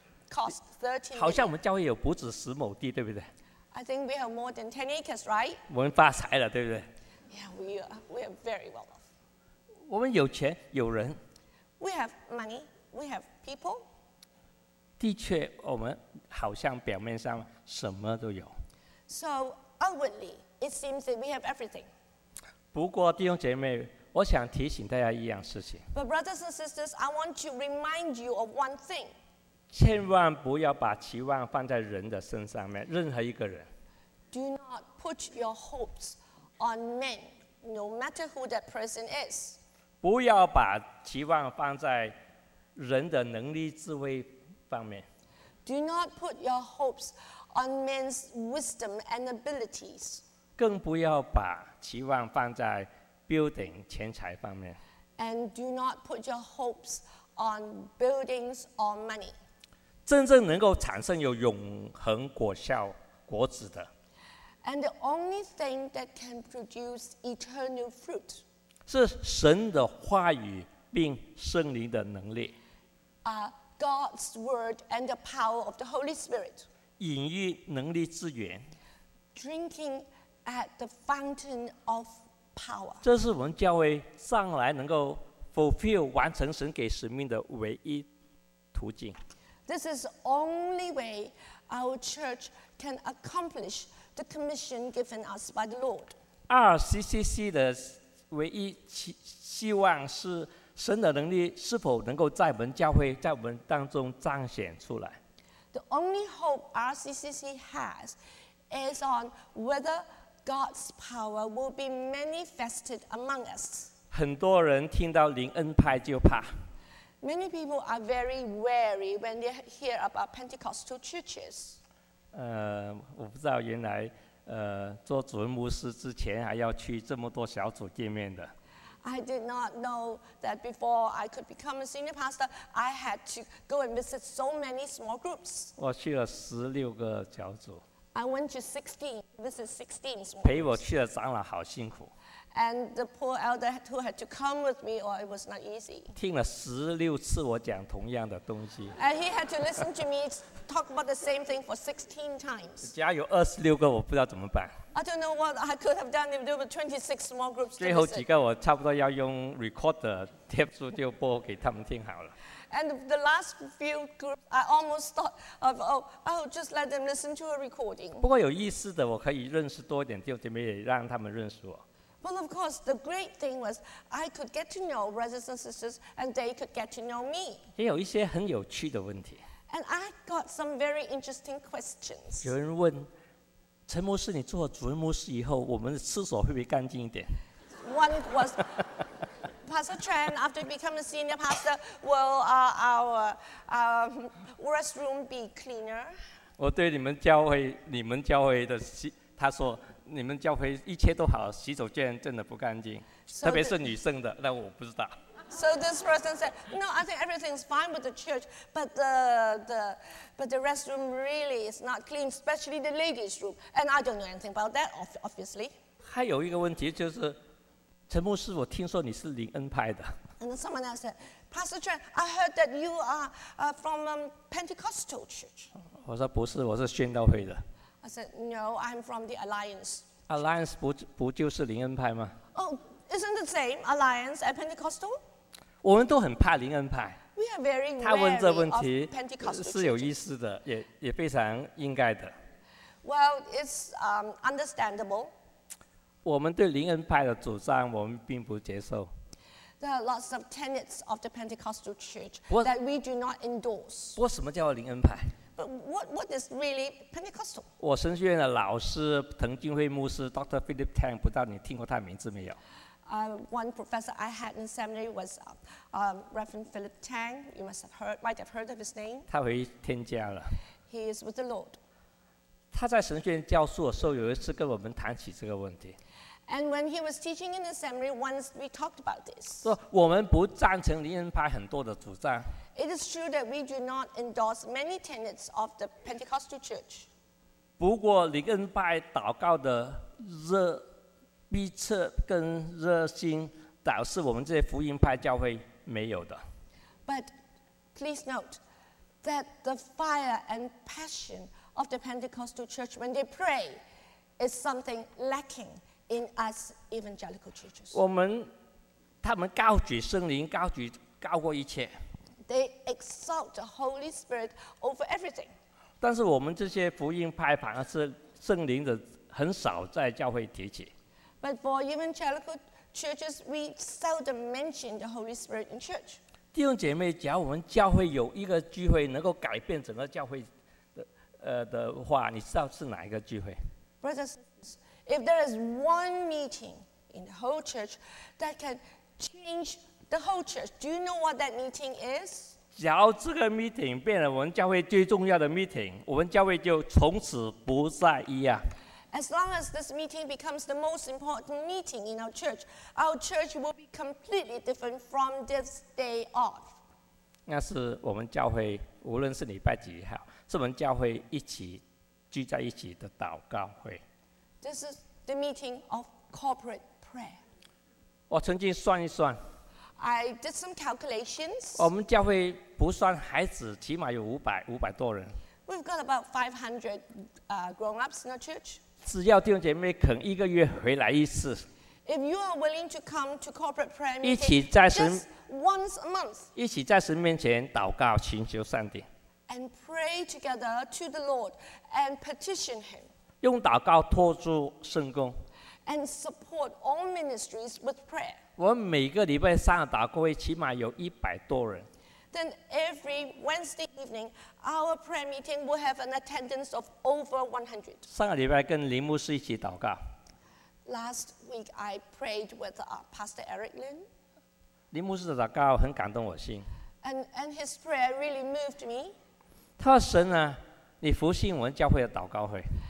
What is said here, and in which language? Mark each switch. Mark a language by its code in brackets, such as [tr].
[en] Cost 13 million. [zh] 好像我们教会有不止十亩地，对不对？ [en] I think we have more than 10 acres, right? [zh] 我们发财了，对不对？ [en] Yeah, we are very well off. [zh] 我们有钱，有人。 [en] We have money, we have people. [zh] 的确，我们好像表面上什么都有。 [en] So, outwardly, it seems that we have everything. [zh] 不过，弟兄姐妹，我想提醒大家一样事情。 [en] But brothers and sisters, I want to remind you of one thing. [zh] 千万不要把期望放在人的身上面，任何一个人。 [en] Do not put your hopes on men, no matter who that person is. [zh] 不要把期望放在人的能力、智慧方面。 [en] Do not put your hopes on men's wisdom and abilities. [zh] 更不要把期望放在building 钱财方面。 [en] And do not put your hopes on buildings or money. [zh] 真正能够产生有永恒果效果子的。 [en] And the only thing that can produce eternal fruit. [zh] 是神的话语并圣灵的能力。 [en] God's word and the power of the Holy Spirit. [zh] 饮于能力之源。 [en] Drinking at the fountain of power. [zh] 这是我们教会上来能够 [en] fulfill [zh] 完成神给使命的唯一途径。 [en] This is the only way our church can accomplish the commission given us by the Lord. [zh] RCCC 的唯一希望是神的能力是否能够在我们教会在我们当中彰显出来。 [en] The only hope RCCC has is on whether God's power will be manifested among us. [zh] 很多人听到灵恩派就怕。 [en] Many people are very wary when they hear about Pentecostal churches. [zh] 我不知道原来做主任牧师之前还要去这么多小组见面的。 [en] I did not know that before I could become a senior pastor, I had to go and visit so many small groups. [zh] 我去了16个小组。 [en] I went to 16. This is 16. [zh] 陪我去的长老好辛苦。 [en] And the poor elder who had to come with me, or it was not easy. [zh] 听了16次我讲同样的东西。 [en] And he had to listen to me talk about the same thing for 16 times. [zh] 加有26个，我不知道怎么办。 [en] I don't know what I could have done if there were 26 small groups. [zh] 最后几个我差不多要用 [en] recorder tape [zh] 住就播给他们听好了。 [en] And the last few groups, I almost thought of, oh, I'll just let them listen to a recording. [zh] 不过有意思的，我可以认识多一点弟兄姐妹，也让他们认识我。 [en] Well, of course, the great thing was I could get to know brothers and sisters, and they could get to know me. [zh] 也有一些很有趣的问题。 [en] And I got some very interesting questions. [zh] 有人问，陈牧师，你做主任牧师以后，我们的厕所会不会干净一点？ [en] One was. Pastor Tran, after becoming a senior pastor, will our restroom be cleaner? [zh] 我对你们教会，你们教会的洗，他说你们教会一切都好，洗手间真的不干净，特别是女生的，那我不知道。 [en] So this person said, "No, I think everything's fine with the church, but the restroom really is not clean, especially the ladies' room. And I don't know anything about that, obviously." [zh] 还有一个问题就是。陈牧师，我听说你是灵恩派的。 [en] And someone else said, Pastor Tran, I heard that you are from Pentecostal church. [zh] 我说不是，我是宣道会的。 [en] I said, no, I'm from the Alliance. [zh] Alliance 不就是灵恩派吗？ [en] Oh, isn't the same Alliance and Pentecostal? [zh] 我们都很怕灵恩派。 [en] We are very wary of [zh] Pentecostal. 他问这问题 [en] Pentecostal [zh] 是有意思的，也非常应该的。 [en] Well, it's understandable. [zh] 我们对灵恩派的主张，我们并不接受。 [en] There are lots of tenets of the Pentecostal Church that we do not endorse. [zh] 不过什么叫灵恩派 [en] ？But what is really Pentecostal？ [zh] 我神学院的老师滕俊辉牧师 ，Dr. Philip Tang， 不知道你听过他名字没有 [en] ？One professor I had in seminary was Reverend Philip Tang. You must have heard, might have heard of his name. [zh] 他回天家了。 [en] He is with the Lord. [zh] 他在神学院教书的时候，有一次跟我们谈起这个问题。 [en] And when he was teaching in the seminary, once we talked about this. [zh] 说我们不赞成灵恩派很多的主张。 [en] It is true that we do not endorse many tenets of the Pentecostal church. [zh] 不过灵恩派祷告的热逼迫跟热心，倒是我们这些福音派教会没有的。 [en] But please note that the fire and passion of the Pentecostal church when they pray is something lacking in us evangelical churches. [zh] 我们，他们高举圣灵，高过一切。 [en] They exalt the Holy Spirit over everything. [zh] 但是我们这些福音派反而是圣灵的很少在教会提起。 [en] But for evangelical churches, we seldom mention the Holy Spirit in church. [zh] 弟兄姐妹，只要我们教会有一个聚会能够改变整个教会的的话，你知道是哪一个聚会 [en] ？Brothers, if there is one meeting in the whole church that can change the whole church, do you know what that meeting is? [zh] 只要这个 [en] meeting [zh] 变了我们教会最重要的 meeting, 我们教会就从此不再一样。 [en] As long as this meeting becomes the most important meeting in our church will be completely different from this day off. [zh] 那是我们教会，无论是礼拜几也好，是我们教会一起聚在一起的祷告会。 [en] This is the meeting of corporate prayer. [zh] 我曾经算一算。 [en] I did some calculations. [zh] 我们教会不算孩子，起码有500多人。 [en] We've got about 500 grown-ups in our church. [zh] 只要弟兄姐妹肯一个月回来一次 [en] ，If you are willing to come to corporate prayer meeting, [zh] 一起在神 [en] once a month, [zh] 一起在神面前祷告，请求上帝 [en] ，and pray together to the Lord and petition Him, [zh] 用祷告托住圣工 [en] ，and support all ministries with prayer. [zh] 我每个礼拜三的祷告会起码有100多人 [en] ，then every Wednesday evening. Our prayer meeting will have an attendance of over 100. [zh] 上个礼拜跟林牧师一起祷告。 [en] Last week I prayed with Pastor Eric Lin. [zh] 林牧师的祷告很感动我心。 [en] And his prayer really moved me. [zh] 他说神啊，你复兴我们教会的祷告会。